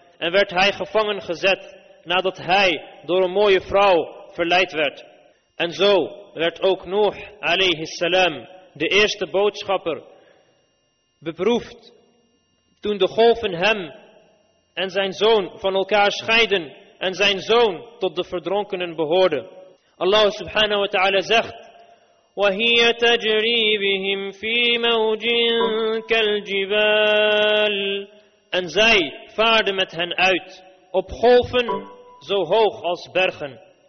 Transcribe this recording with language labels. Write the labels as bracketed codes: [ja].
[nl] En werd hij gevangen gezet nadat hij door een mooie vrouw verleid werd. En zo werd ook Nuh alayhi salam, de eerste boodschapper, beproefd toen de golven hem en zijn zoon van elkaar scheiden en zijn zoon tot de verdronkenen behoorde. Allah subhanahu wa ta'ala zegt: [ar] وَهِيَ تَجْرِي بِهِمْ فِي مَوْجٍ كَالْجِبَالِ. [nl] En zij vaarde met hen uit op golven zo hoog als bergen.